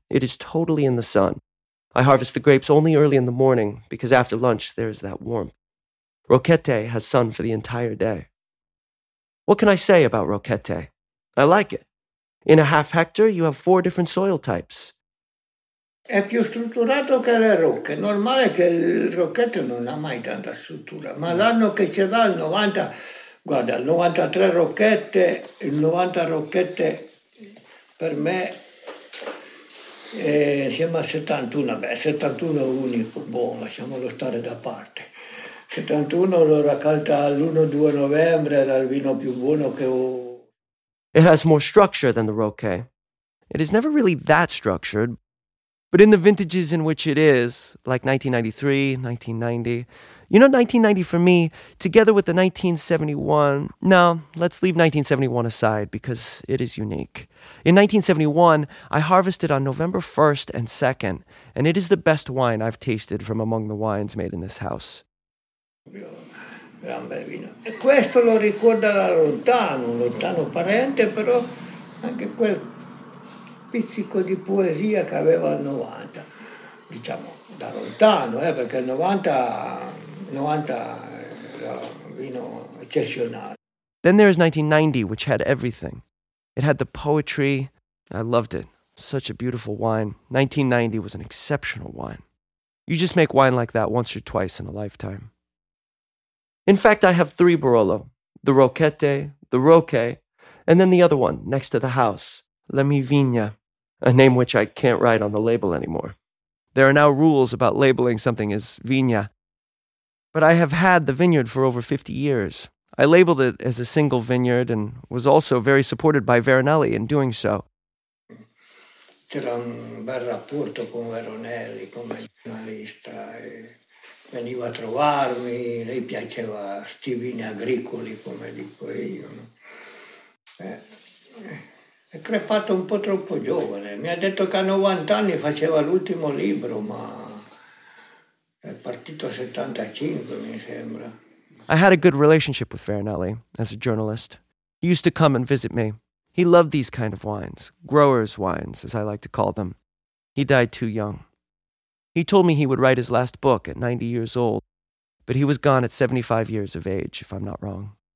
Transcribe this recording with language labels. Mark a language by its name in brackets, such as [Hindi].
[English] It is totally in the sun. I harvest the grapes only early in the morning, because after lunch there is that warmth. Roquette has sun for the entire day. What can I say about Roquette? I like it. In a half hectare, you have 4 different soil types. [Italian] È più strutturato che le rocche. Normale che il rocchetto non ha mai tanta struttura, ma l'anno che ce l'ha, il 93 rocchette, il 90 rocchette per me, insieme al 71, beh, 71 unico, boh, lasciamolo stare da parte. 71 l'ho raccolta l'1-2 novembre, era il vino più buono che ho. [English] It has more structure than the Roque. It is never really that structured. But in the vintages in which it is, like 1993, 1990, you know, 1990 for me, together with the 1971, no, let's leave 1971 aside because it is unique. In 1971, I harvested on November 1st and 2nd, and it is the best wine I've tasted from among the wines made in this house. [Italian] Questo lo ricorda da lontano, un lontano parente, però anche quel... pizzico di poesia che aveva il 90, diciamo da lontano, perché il 90 era un vino eccezionale. [English] Then there is 1990, which had everything. It had the poetry. I loved it. Such a beautiful wine. 1990 was an exceptional wine. You just make wine like that once or twice in a lifetime. In fact, I have 3 Barolo: the Roquette, the Roque, and then the other one next to the house, La Mi Vigna. a name which I can't write on the label anymore. There are now rules about labeling something as Viña. But I have had the vineyard for over 50 years. I labeled it as a single vineyard and was also very supported by Veronelli in doing so. [Italian] C'era un bel rapporto con Veronelli come giornalista. Veniva a trovarmi, lei piaceva sti vini agricoli, come dico io. È crepato un po' troppo giovane. Mi ha detto che a 90 anni faceva l'ultimo libro, ma è partito a 75, mi sembra. [English] I had a good relationship with Veronelli as a journalist. He used to come and visit me. He loved these kind of wines, growers wines, as I like to call them. He died too young. He told me he would write his last book at 90 years old, but he was gone at 75 years of age, if I'm not wrong.